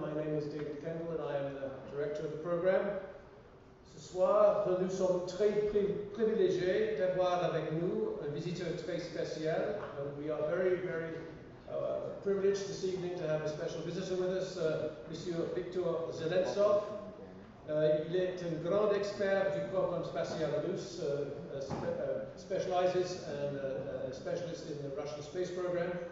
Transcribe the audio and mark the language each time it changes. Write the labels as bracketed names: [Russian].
[English] My name is David Kendall, and I am the director of the program. [French] Ce soir, nous sommes très privilégiés d'avoir avec nous un visiteur très spécial. [English] We are very, very privileged this evening to have a special visitor with us, Monsieur Victor Zelentsov. [French] Il est un grand expert du programme spatial russe, [English] specializes and a specialist in the Russian space program.